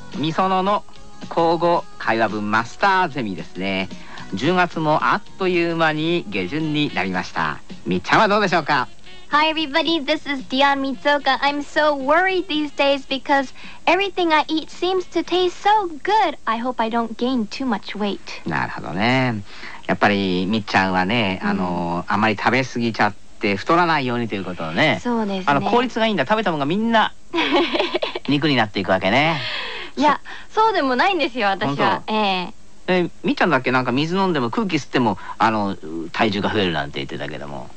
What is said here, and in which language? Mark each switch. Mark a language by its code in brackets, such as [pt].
[ja] みそのの口語会話文マスターゼミですね。 10月もあっという間に下旬になりました。みっちゃんはどうでしょうか。 [en] Hi everybody, this is Dion Mitsuoka. I'm so worried these days because everything I eat seems to taste so good. I hope I don't gain too much weight. [ja] なるほどね。やっぱりみっちゃんはね、あまり食べ過ぎちゃって太らないようにということをね。そうですね、効率がいいんだ。食べたものがみんな肉になっていくわけね。いや、そうでもないんですよ、私は。みーちゃんだっけ、なんか水飲んでも空気吸っても体重が増えるなんて言ってたけども。